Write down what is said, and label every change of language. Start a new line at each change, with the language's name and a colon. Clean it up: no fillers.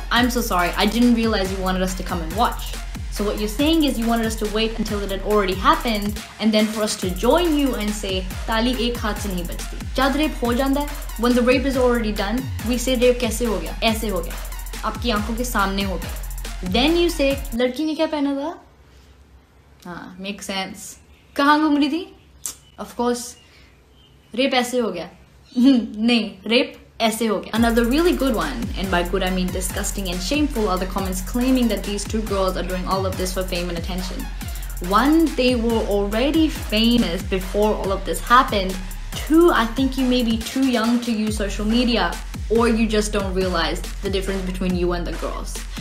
English: I'm so sorry, I didn't realize you wanted us to come and watch. So what you're saying is you wanted us to wait until it had already happened and then for us to join you and say
Hindi: tali ek haath se nahi bachti. जब rape हो जांदा,
English: when the rape is already done, we say
Hindi: rape कैसे हो गया? ऐसे हो गया। आपकी आँखों के सामने हो गया।
English: Then you say
Hindi: लड़की ने क्या पहना था?
English: Makes sense.
Hindi: कहाँ घूम रही थी?
English: Of course,
Hindi: rape ऐसे हो गया। नहीं, rape ऐसे हो गया।
English: Another really good one, and by good I mean disgusting and shameful, are the comments claiming that these two girls are doing all of this for fame and attention. One, they were already famous before all of this happened. Two, I think you may be too young to use social media, or you just don't realize the difference between you and the girls.